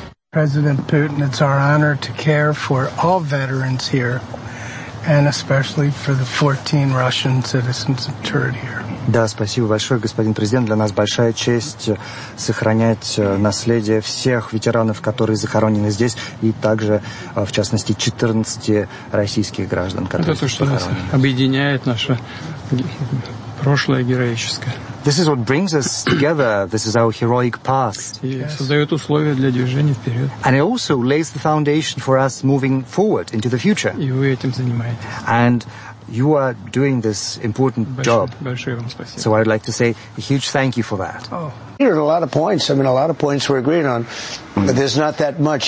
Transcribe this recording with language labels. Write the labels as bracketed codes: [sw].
[en] President Putin, it's our honor to care for all veterans here, and especially for the 14 Russian citizens interred here. [ru] Да, спасибо большое, господин президент. Для нас большая честь сохранять наследие всех ветеранов, которые захоронены здесь, и также, в частности, 14 российских граждан, которые здесь захоронены. Это то, что нас объединяет, наше прошлое героическое. [en] This is what brings us together. This is our heroic path. [ru] Создает условия для движения вперед. [en] And it also lays the foundation for us moving forward into the future. [ru] И вы этим занимаетесь. [en] And you are doing this important job. [ru] Большое вам спасибо. [en] So I would like to say a huge thank you for that. Oh. There are a lot of points. I mean, a lot of points we're agreeing on. But there's not that much.